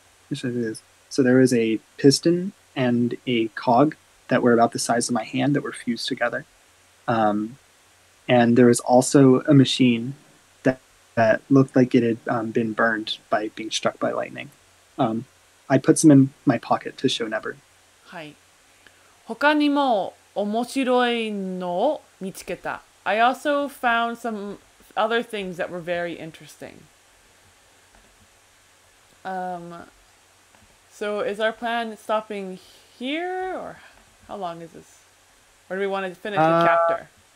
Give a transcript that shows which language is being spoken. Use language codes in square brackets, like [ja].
[en] There was a piston and a cog that were about the size of my hand that were fused together. And there was also a machineThat looked like it had been burned by being struck by lightning. I put some in my pocket to show Never. [ja] はい。他にも面白いのを見つけた。 [en] I also found some other things that were very interesting. So is our plan stopping here, or how long is this? Or do we want to finish the chapter?